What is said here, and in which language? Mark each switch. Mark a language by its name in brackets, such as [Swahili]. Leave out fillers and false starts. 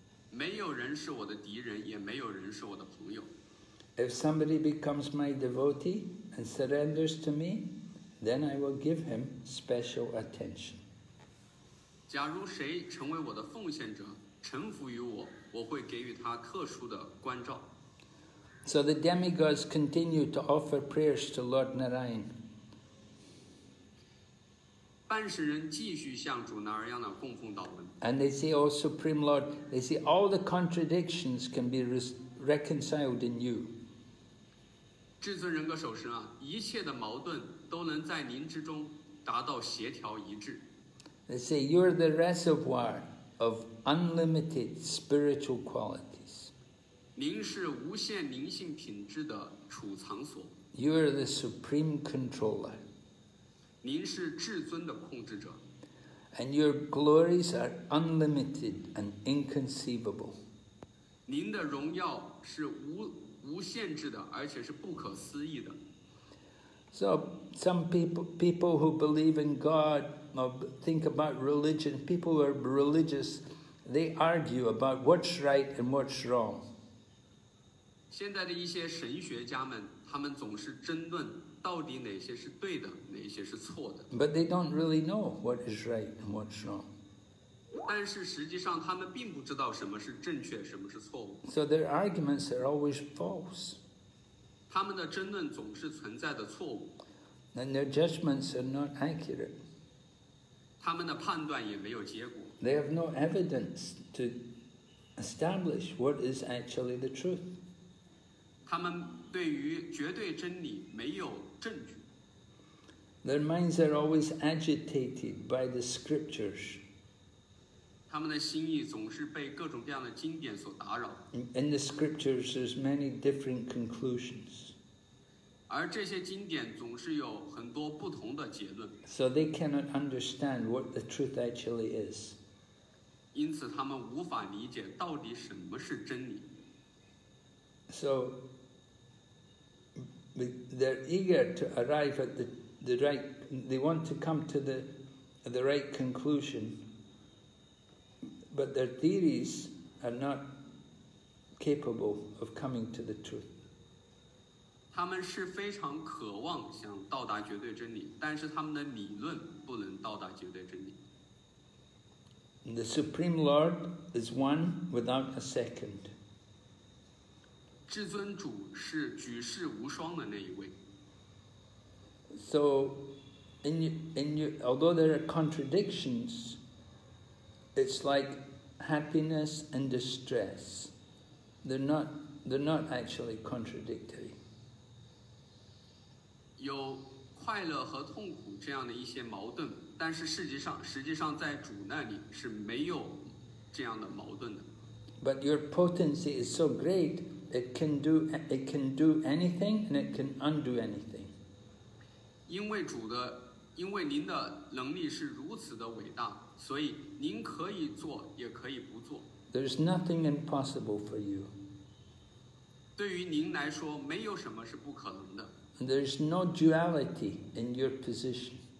[Chinese] 没有人是我的敌人，也没有人是我的朋友。 [English] If somebody becomes my devotee and surrenders to me, then I will give him special attention. [Chinese] 假如谁成为我的奉献者，臣服于我，我会给予他特殊的关照。 [English] So the demigods continue to offer prayers to Lord Narayan. [Chinese] 半世人继续向主那儿样的供奉祷文。 [English] And they say, oh, Supreme Lord, they say, all the contradictions can be reconciled in you. [Chinese] 至尊人格首师啊，一切的矛盾都能在您之中达到协调一致。 [English] They say, you're the reservoir of unlimited spiritual qualities. [Chinese] 您是无限灵性品质的储藏所。 [English] You're the supreme controller. [Chinese] 您是至尊的控制者。 [English] And your glories are unlimited and inconceivable. [Chinese] 您的荣耀是 无限制的，而且是不可思议的。 [English] So some people who believe in God or think about religion, people who are religious, they argue about what's right and what's wrong. [Chinese] 现在的一些神学家们，他们总是争论到底哪些是对的，哪些是错的。 [English] But they don't really know what is right and what's wrong. [Chinese] 但是实际上他们并不知道什么是正确，什么是错误。 [English] So their arguments are always false. [Chinese] 他们的争论总是存在的错误。 [English] And their judgments are not accurate. [Chinese] 他们的判断也没有结果。 [English] They have no evidence to establish what is actually the truth. [Chinese] 他们对于绝对真理没有证据。 [English] Their minds are always agitated by the scriptures. [Chinese] 他们的心意总是被各种各样的经典所打扰。 [English] In the scriptures, there's many different conclusions. [Chinese] 而这些经典总是有很多不同的结论。 [English] So they cannot understand what the truth actually is. [Chinese] 因此他们无法理解到底什么是真理。 [English] So they're eager to arrive at the right, they want to come to the right conclusion, but their theories are not capable of coming to the truth. [Chinese] 他们是非常渴望想到达绝对真理，但是他们的理论不能到达绝对真理。 [English] The Supreme Lord is one without a second. [Chinese] 至尊主是举世无双的那一位。 [English] So, although there are contradictions, it's like happiness and distress. They're not actually contradictory. [Chinese] 有快乐和痛苦这样的一些矛盾，但是实际上在主那里是没有这样的矛盾的。 [English] But your potency is so great. It can do anything, and it can undo anything. [Chinese] 因为您的能力是如此的伟大，所以您可以做，也可以不做。 [English] There's nothing impossible for you. [Chinese] 对于您来说，没有什么是不可能的。 [English] There's no duality in your position.